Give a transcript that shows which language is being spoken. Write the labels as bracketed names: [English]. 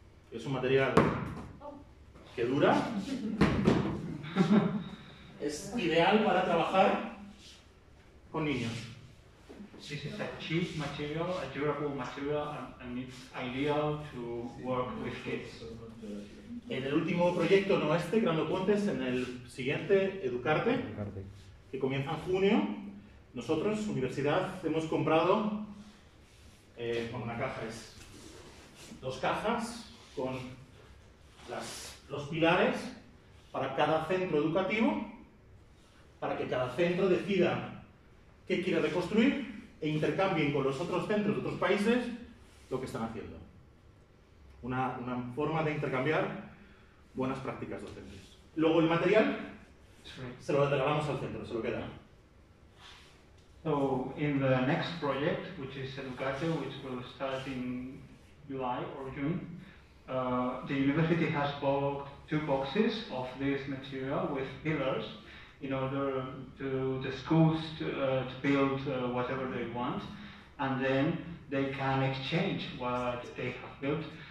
[Spanish] Es un material que dura. Es ideal para trabajar con niños. [English] This is a cheap material, a durable material, and it's ideal to work with kids. [Spanish] En el último proyecto, no este, Grando Puentes, en el siguiente, Educarte, que comienza en junio, nosotros, universidad, hemos comprado con una caja, es 2 cajas con los pilares para cada centro educativo, para que cada centro decida que quiere reconstruir e intercambien con los otros centros de otros países lo que están haciendo. Una forma de intercambiar buenas prácticas docentes. Luego el material se lo regalamos al centro, se lo queda. [English] So in the next project, which is Educate, which will start in July or June, the university has bought 2 boxes of this material with pillars, in order to the schools to build whatever they want, and then they can exchange what they have built